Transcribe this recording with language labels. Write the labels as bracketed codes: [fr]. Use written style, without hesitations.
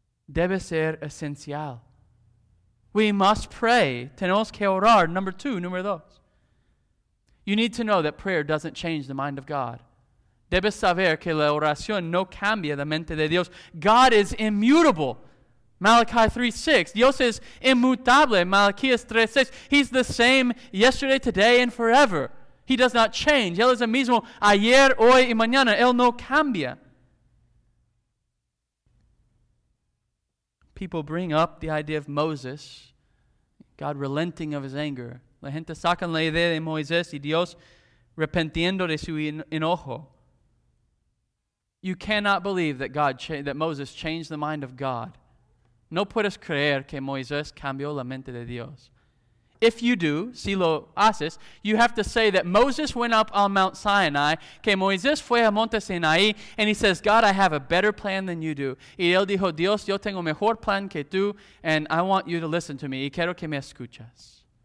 [es] Debe ser esencial. [en] We must pray. [es] Tenemos que orar. Número dos. [en] You need to know that prayer doesn't change the mind of God. [es] Debes saber que la oración no cambia la mente de Dios. [en] God is immutable. Malachi 3:6. [es] Dios es inmutable. Malaquías 3:6. [en] He's the same yesterday, today, and forever. He does not change. [es] Él es el mismo ayer, hoy, y mañana. Él no cambia. [en] People bring up the idea of Moses, God relenting of his anger. [es] La gente saca la idea de Moisés y Dios repentiendo de su enojo. [en] You cannot believe that Moses changed the mind of God. [es] No puedes creer que Moisés cambió la mente de Dios. [en] If you do, [es] si lo haces, [en] you have to say that Moses went up on Mount Sinai, [es] que Moisés fue a Monte Sinai, [en] and he says, God, I have a better plan than you do. [es] Y él dijo, Dios, yo tengo mejor plan que tú, [en] and I want you to listen to me, [es] y quiero que me escuches.